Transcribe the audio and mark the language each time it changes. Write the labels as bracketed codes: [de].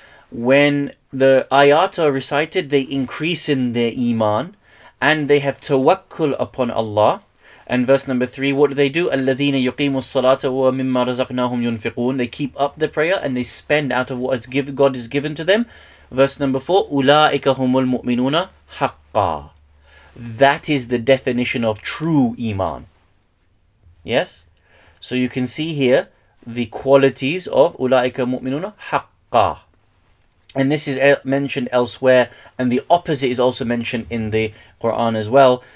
[en] When the ayat are recited, they increase in their iman and they have tawakkul upon Allah. And verse number 3, what do they do? [ar] الَّذِينَ يُقِيمُوا الصَّلَاةَ وَمِمَّا رَزَقْنَاهُمْ يُنْفِقُونَ. [en] They keep up the prayer and they spend out of what God has given to them. Verse number 4, [ar] أُولَٰئِكَ هُمُ الْمُؤْمِنُونَ حَقَّا. [en] That is the definition of true iman. Yes? So you can see here the qualities of [ar] أُولَٰئِكَ مُؤْمِنُونَ حَقَّا. [en] And this is mentioned elsewhere, and the opposite is also mentioned in the Quran as well.